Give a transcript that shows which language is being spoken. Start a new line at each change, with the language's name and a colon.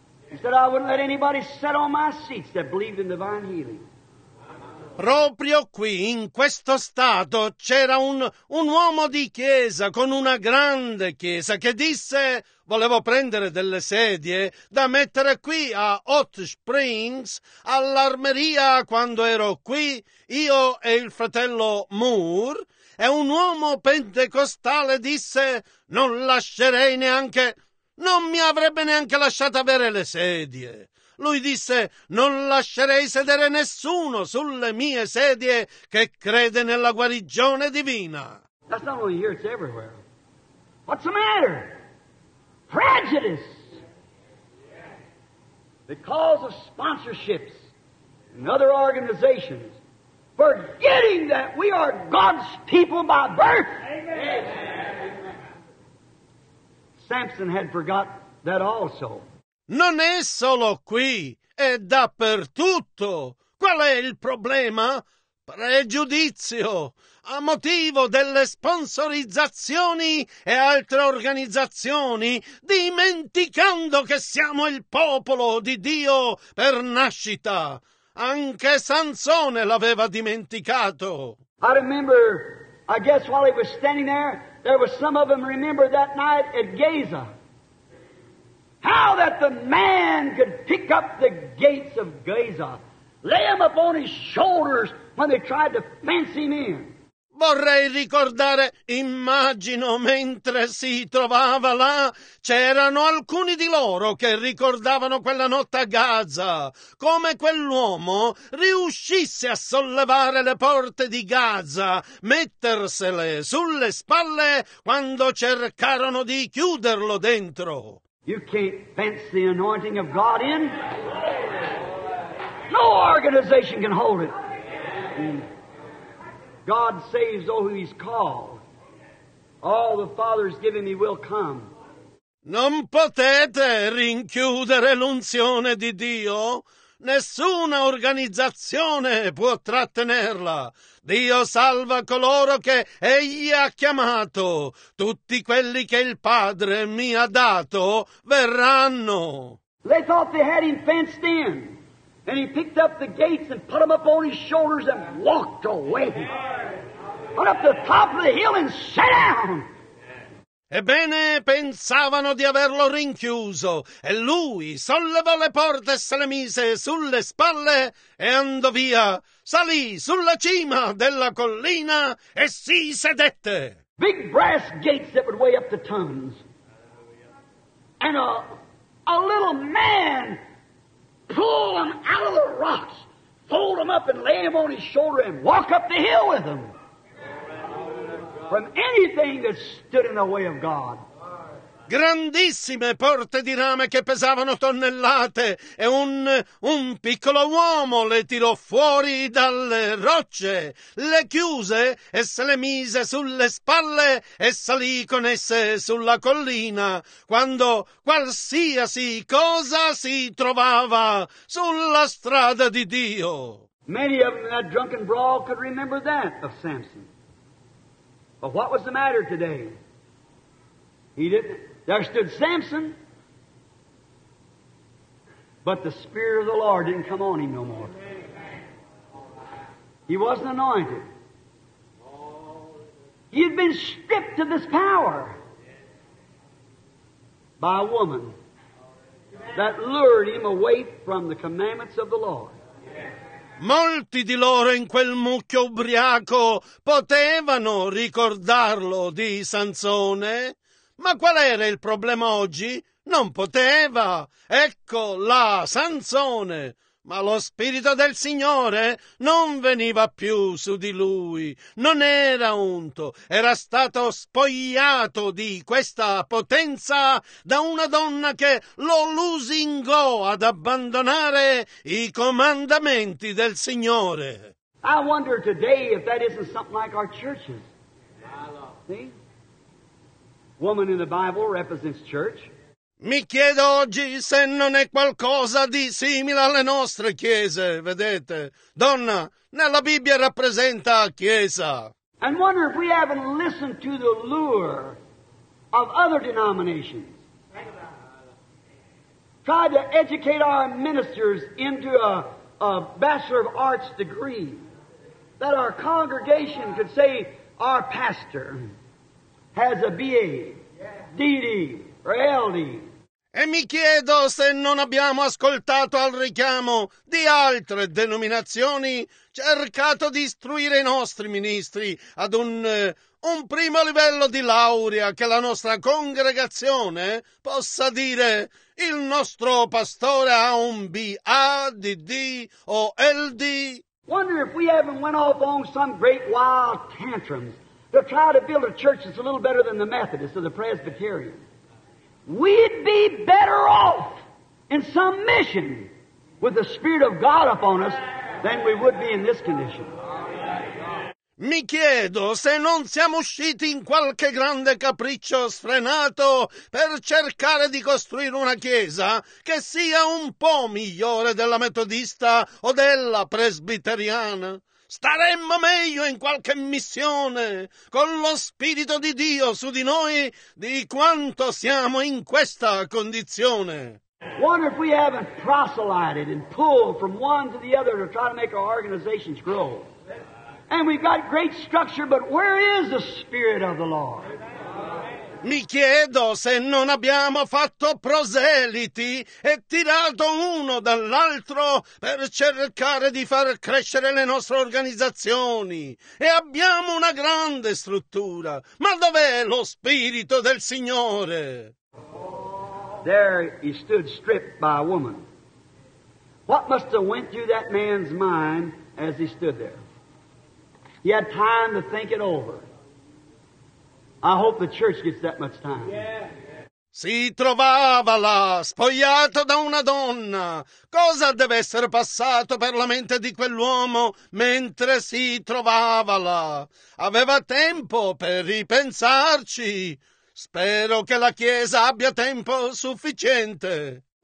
English: He said, I wouldn't let anybody sit on my seats that believed in divine healing.
Italian: Proprio qui, in questo stato, c'era un uomo di chiesa, con una grande chiesa, che disse, volevo prendere delle sedie da mettere qui a Hot Springs, all'armeria quando ero qui, io e il fratello Moore, e un uomo pentecostale disse, non lascerei neanche... Non mi avrebbe neanche lasciato avere le sedie. Lui disse, non lascerei sedere nessuno sulle mie sedie che crede nella guarigione divina.
English: That's not only here, it's everywhere. What's the matter? Prejudice. Because of sponsorships and other organizations, forgetting that we are God's people by birth. Amen. Samson had forgot that also.
Italian: Non è solo qui, è dappertutto. Qual è il problema? Pregiudizio. A motivo delle sponsorizzazioni e altre organizzazioni, dimenticando che siamo il popolo di Dio per nascita. Anche Sansone l'aveva dimenticato.
English: I remember, I guess while he was standing there, there was some of them remember that night at Gaza. How that the man could pick up the gates of Gaza, lay them upon his shoulders when they tried to fence him in.
Italian: Vorrei ricordare, immagino, mentre si trovava là, c'erano alcuni di loro che ricordavano quella notte a Gaza, come quell'uomo riuscisse a sollevare le porte di Gaza, mettersele sulle spalle quando cercarono di chiuderlo dentro.
English: You can't fence the anointing of God in. No organization can hold it. God saves all who He's called. All the Father's given me will come.
Italian: Non potete rinchiudere l'unzione di Dio. Nessuna organizzazione può trattenerla. Dio salva coloro che Egli ha chiamato. Tutti quelli che il Padre mi ha dato verranno.
English: They thought they had him fenced in. Then he picked up the gates and put them up on his shoulders and walked away. Went up to the top of the hill and sat down.
Italian: Ebbene, pensavano di averlo rinchiuso, e lui sollevò le porte e se le mise sulle spalle e andò via. Salì sulla cima della collina e si sedette.
English: Big brass gates that would weigh up to tons. And a little man pull him out of the rocks, fold him up and lay him on his shoulder and walk up the hill with him. From anything that stood in the way of God.
Italian: Grandissime porte di rame che pesavano tonnellate e un piccolo uomo le tirò fuori dalle rocce, le chiuse e se le mise sulle spalle e salì con esse sulla collina. Quando qualsiasi cosa si trovava sulla strada di Dio.
English: Many of them in that drunken brawl could remember that of Samson. But what was the matter today? He didn't. There stood Samson, but the Spirit of the Lord didn't come on him no more. He wasn't anointed. He had been stripped of this power by a woman that lured him away from the commandments of the Lord.
Italian: Molti di loro in quel mucchio ubriaco potevano ricordarlo di Sansone, ma qual era il problema oggi? Non poteva. Ecco là Sansone, ma lo Spirito del Signore non veniva più su di lui. Non era unto, era stato spogliato di questa potenza da una donna che lo lusingò ad abbandonare i comandamenti del Signore.
English: I wonder today if that isn't something like our churches. See? Woman in the Bible represents church.
Italian: Mi chiedo oggi se non è qualcosa di simile alle nostre chiese, vedete? Donna, nella Bibbia rappresenta chiesa.
English: And wonder if we haven't listened to the lure of other denominations. Try to educate our ministers into a Bachelor of Arts degree that our congregation could say our pastor has a BA, DD, or LD.
Italian: E mi chiedo se non abbiamo ascoltato al richiamo di altre denominazioni, cercato di istruire i nostri ministri ad un primo livello di laurea che la nostra congregazione possa dire il nostro pastore ha un BA, DD o LD.
English: Wonder if we haven't went off on some great wild tantrums to try to build a church that's a little better than the Methodist or the Presbyterian. We'd be better off in some mission with the Spirit of God upon us than we would be in this condition.
Italian: Mi chiedo se non siamo usciti in qualche grande capriccio sfrenato per cercare di costruire una chiesa che sia un po' migliore della metodista o della presbiteriana. Staremmo meglio in qualche missione con lo Spirito di Dio su di noi di quanto siamo in questa condizione.
English: Wonder if we haven't proselyted and pulled from one to the other to try to make our organizations grow. And we've got great structure, but where is the Spirit of the Lord?
Italian: Mi chiedo se non abbiamo fatto proseliti e tirato uno dall'altro per cercare di far crescere le nostre organizzazioni. E abbiamo una grande struttura. Ma dov'è lo Spirito del Signore?
English: There he stood stripped by a woman. What must have went through that man's mind as he stood there? He had time to think it over. I hope the church gets that much time. Yeah.
Italian: Si trovava là, spogliato da una donna. Cosa deve essere passato per la mente di quell'uomo mentre si trovava là? Aveva tempo per ripensarci. Spero che la Chiesa abbia tempo sufficiente.